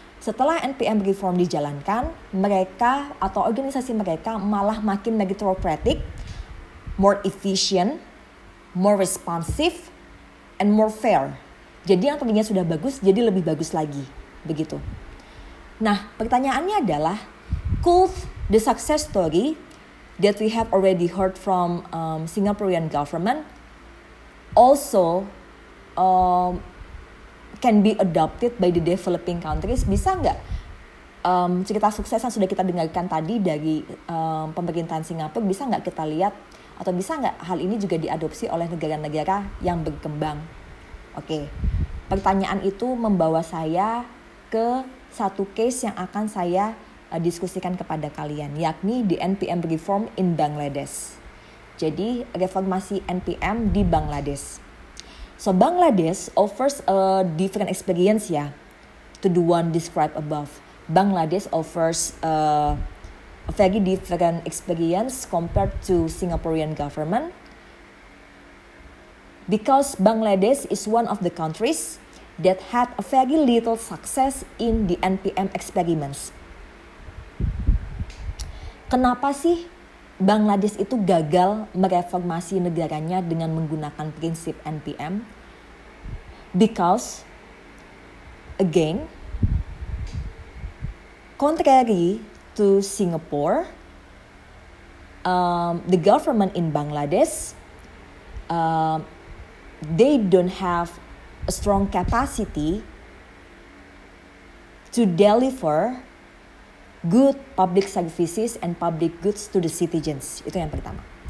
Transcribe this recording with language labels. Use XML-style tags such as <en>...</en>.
<id>Setelah NPM reform dijalankan, mereka atau organisasi mereka malah makin</id> <en>meritocratic, more efficient, more responsive, and more fair.</en> <id>Jadi yang tadinya sudah bagus jadi lebih bagus lagi, begitu. Nah, pertanyaannya adalah,</id> <en>could the success story that we have already heard from Singaporean government also can be adopted by the developing countries?</en> <id>Bisa nggak cerita sukses yang sudah kita dengarkan tadi dari pemerintahan Singapura, bisa nggak kita lihat atau bisa nggak hal ini juga diadopsi oleh negara-negara yang berkembang? Oke, pertanyaan itu membawa saya ke satu case yang akan saya diskusikan kepada kalian, yakni</id> <en>the NPM reform in Bangladesh.</en> <id>Jadi reformasi NPM di Bangladesh.</id> <en>So Bangladesh offers a different experience ya to the one described above. Bangladesh offers a very different experience compared to Singaporean government, because Bangladesh is one of the countries that had a very little success in the NPM experiments.</en> <id>Kenapa sih Bangladesh itu gagal mereformasi negaranya dengan menggunakan prinsip NPM?</id> <en>Because, again, contrary to Singapore, the government in Bangladesh, they don't have a strong capacity to deliver good public services and public goods to the citizens.</en> <id>Itu yang pertama.</id>